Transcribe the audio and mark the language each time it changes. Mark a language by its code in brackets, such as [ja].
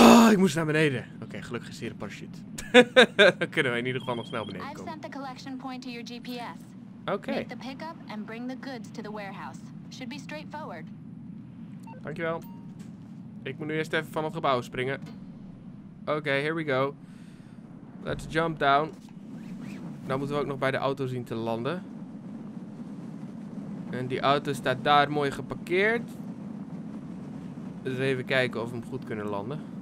[nl] Ik moest naar beneden. Oké, gelukkig is hier een parachute. Dan kunnen wij in ieder geval nog snel beneden komen. [en] I've sent the collection point to your GPS. Okay. Make the pickup and bring the goods to the warehouse. Should be straightforward. [nl] Dankjewel. Ik moet nu eerst even van het gebouw springen. [en] Okay, here we go. Let's jump down. [nl] Dan moeten we ook nog bij de auto zien te landen. En die auto staat daar mooi geparkeerd. Dus even kijken of we hem goed kunnen landen.